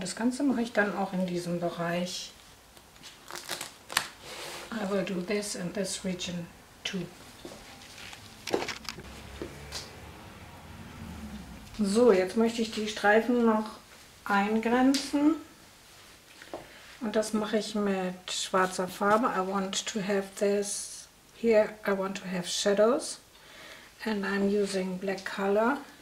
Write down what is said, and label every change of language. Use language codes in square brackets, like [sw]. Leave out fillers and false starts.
[de] Das Ganze mache ich dann auch in diesem Bereich. [en] I will do this in this region too. [de] So, jetzt möchte ich die Streifen noch eingrenzen. Und das mache ich mit schwarzer Farbe. [en] I want to have this here. I want to have shadows. And I'm using black color.